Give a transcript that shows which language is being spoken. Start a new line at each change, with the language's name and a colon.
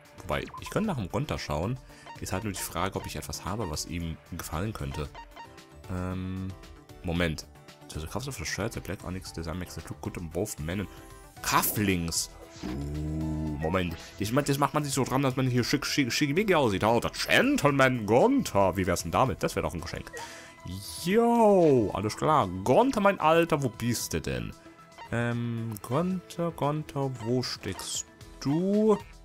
German: Wobei, ich könnte nach dem Gunter schauen. Ist halt nur die Frage, ob ich etwas habe, was ihm gefallen könnte. Moment.
English: So, the cuffs of the shirt, the black onyx design makes it look good on both men.
German: Cufflinks. Moment. Das macht man sich so dran, dass man hier schick aussieht. Oh, der Gentleman Gunther. Wie wär's denn damit? Das wäre doch ein Geschenk. Yo, alles klar. Gunther, mein Alter, wo bist du denn? Gunther, wo steckst du?